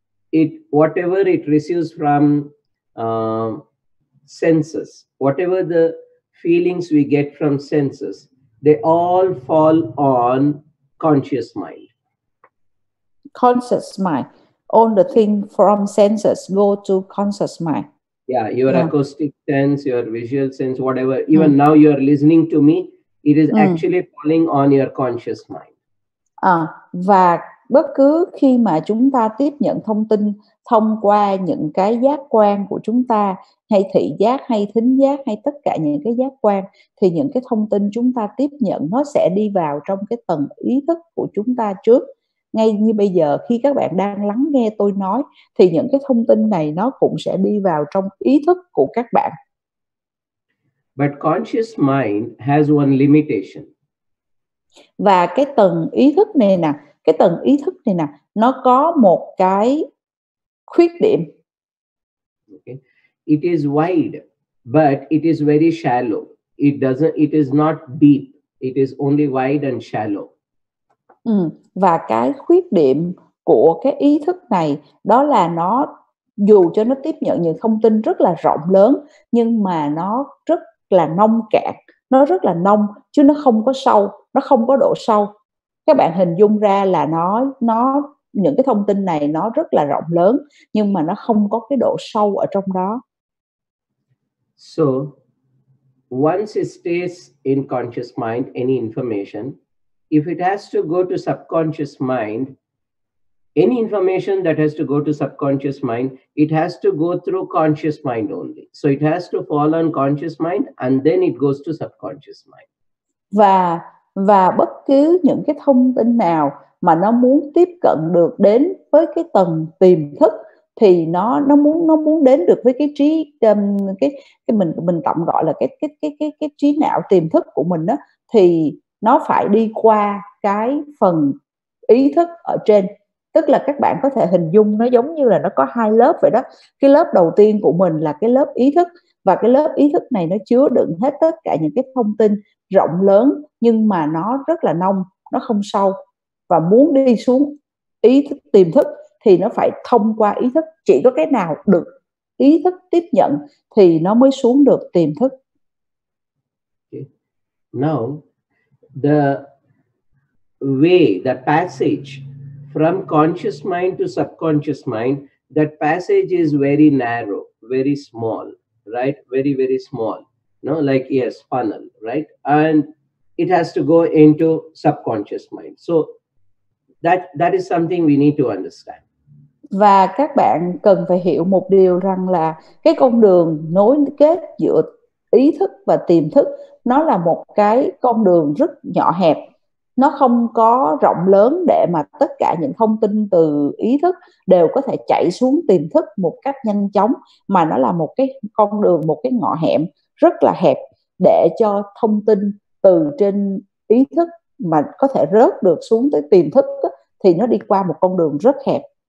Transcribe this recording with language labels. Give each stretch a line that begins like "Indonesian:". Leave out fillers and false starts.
English: It whatever it receives from senses, whatever the feelings we get from senses, they all fall on conscious mind. Conscious mind. All the thing from senses go to conscious mind. Yeah, your acoustic sense, your visual sense, whatever. Even now you are listening to me, it is actually falling on your conscious mind.
Vietnamese: À, và bất cứ khi mà chúng ta tiếp nhận thông tin thông qua những cái giác quan của chúng ta, hay thị giác, hay thính giác, hay tất cả những cái giác quan, thì những cái thông tin chúng ta tiếp nhận nó sẽ đi vào trong cái tầng ý thức của chúng ta trước. Ngay như bây giờ khi các bạn đang lắng nghe tôi nói, thì những cái thông tin này nó cũng sẽ đi vào trong ý thức của các bạn.
English: But conscious mind has one limitation.
Vietnamese: Và cái tầng ý thức này nè, cái tầng ý thức này nè, nó có một cái khuyết điểm. Okay.
English: It is wide, but it is very shallow. It is not deep. It is only wide and shallow. Ừ.
Vietnamese: Và cái khuyết điểm của cái ý thức này, đó là nó, dù cho nó tiếp nhận những thông tin rất là rộng lớn, nhưng mà nó rất là nông cạn. Nó rất là nông, chứ nó không có sâu, nó không có độ sâu. Các bạn hình dung ra là nó những cái thông tin này nó rất là rộng lớn, nhưng mà nó không có cái độ sâu ở trong đó.
English: So, once it stays in conscious mind, any information, if it has to go to subconscious mind, any information that has to go to subconscious mind, it has to go through conscious mind only. So it has to fall on conscious mind and then it goes to subconscious mind.
Vietnamese: Và bất cứ những cái thông tin nào mà nó muốn tiếp cận được đến với cái tầng tiềm thức, thì nó muốn đến được với cái trí cái mình tạm gọi là cái trí não tiềm thức của mình đó, thì nó phải đi qua cái phần ý thức ở trên. Tức là các bạn có thể hình dung nó giống như là nó có hai lớp vậy đó. Cái lớp đầu tiên của mình là cái lớp ý thức, và cái lớp ý thức này nó chứa đựng hết tất cả những cái thông tin rộng lớn, nhưng mà nó rất là nông, nó không sâu. Và muốn đi xuống ý thức tiềm thức thì nó phải thông qua ý thức. Chỉ có cái nào được ý thức tiếp nhận thì nó mới xuống được tiềm thức.
English: Now, the way, the passage from conscious mind to subconscious mind, that passage is very narrow, very small, right? Very, very small. No, like, yes, funnel, right? And it has to go into subconscious mind. So that is something we need to understand.
Vietnamese: Và các bạn cần phải hiểu một điều rằng là cái con đường nối kết giữa ý thức và tiềm thức, nó là một cái con đường rất nhỏ hẹp. Nó không có rộng lớn để mà tất cả những thông tin từ ý thức đều có thể chảy xuống tiềm thức một cách nhanh chóng, mà nó là một cái con đường, một cái ngõ hẻm rất là hẹp để cho thông tin từ trên ý thức mà có thể rớt được xuống tới tiềm thức đó, thì nó đi qua một con đường rất hẹp.